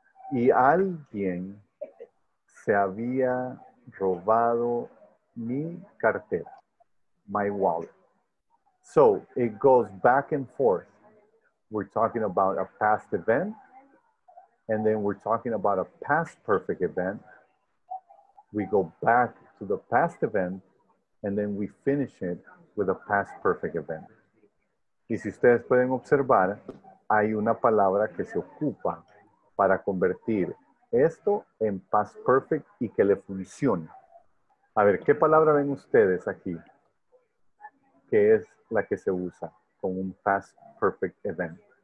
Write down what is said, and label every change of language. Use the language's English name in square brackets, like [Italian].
[Spanish] Y alguien se había robado mi cartera, [English] my wallet. So it goes back and forth. We're talking about a past event, and then we're talking about a past perfect event. We go back to the past event, and then we finish it with a past perfect event. [Spanish] Y si ustedes pueden observar, hay una palabra que se ocupa para convertir esto en past perfect y que le funcione. A ver, ¿qué palabra ven ustedes aquí? ¿Qué es la que se usa con un past perfect event?